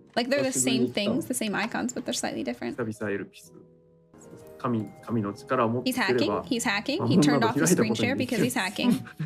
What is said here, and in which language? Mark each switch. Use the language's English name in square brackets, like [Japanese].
[English] Like they're the same things, the same icons, but they're slightly different. [Japanese] 久々エルピス。神の力を持っていれば。 [English] He's hacking. He's hacking. He turned off the screen share because he's hacking.